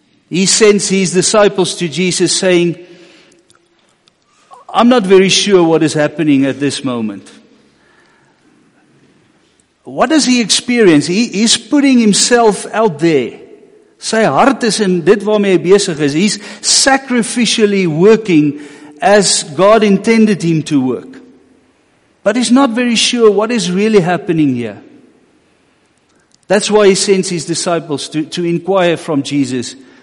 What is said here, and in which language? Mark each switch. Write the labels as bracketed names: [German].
[English] He sends his disciples to Jesus saying, I'm not very sure what is happening at this moment. What does he experience? He is putting himself out there. [Afrikaans] Sy hart is in dit waarmee hy besig is. [English] He's sacrificially working as God intended him to work. But he's not very sure what is really happening here. That's why he sends his disciples to inquire from Jesus.